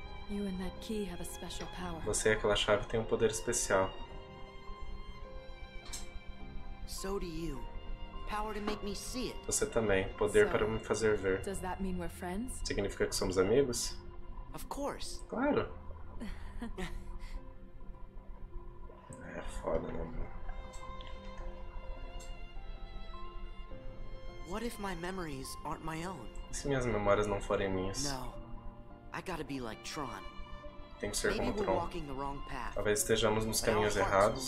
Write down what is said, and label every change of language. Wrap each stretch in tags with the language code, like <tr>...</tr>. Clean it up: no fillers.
<en>You and that key have a special power.</en> <pt>Você e aquela chave têm um poder especial.</pt> <en>So do you. Power to make me see it.</en> <pt>Você também, poder para me fazer ver.</pt> <en>Does that mean we're friends?</en> <pt>Significa que somos amigos?</pt> <en>Of course.</en> <pt>Claro. É foda, né?</pt> <en>What if my memories aren't my own?</en> <pt>Se minhas memórias não forem minhas.</pt> <en>No, I gotta be like Tron.</en> <pt>Tem que ser como Tron.</pt> <en>Walking the wrong path.</en> <pt>Talvez estejamos nos caminhos errados.</pt>